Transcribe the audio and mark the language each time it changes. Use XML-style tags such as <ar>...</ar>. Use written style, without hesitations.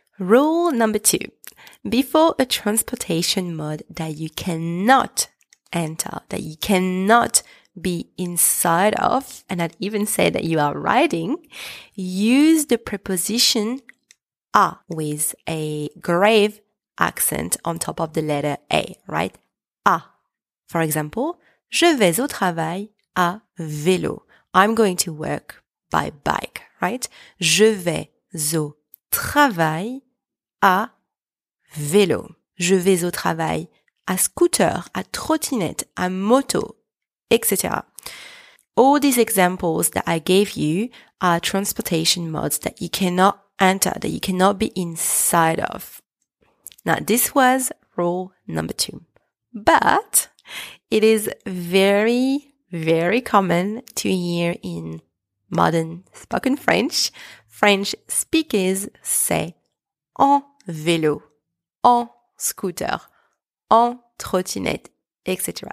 <en>Rule number two. Before a transportation mode that you cannot enter, that you cannot be inside of, and I'd even say that you are riding, use the preposition à with a grave accent on top of the letter A, right?</en> <fr>À.</fr> <en>For example,</en> <fr>je vais au travail à vélo.</fr> <en>I'm going to work by bike, right?</en> <fr>Je vais au travail à vélo. Je vais au travail à scooter, à trottinette, à moto, etc.</fr> <en>All these examples that I gave you are transportation modes that you cannot enter, that you cannot be inside of. Now, this was rule number two, but it is very, very common to hear in modern spoken French, French speakers say</en> <fr>en vélo, en scooter, en trottinette,</fr> <en>etc.</en>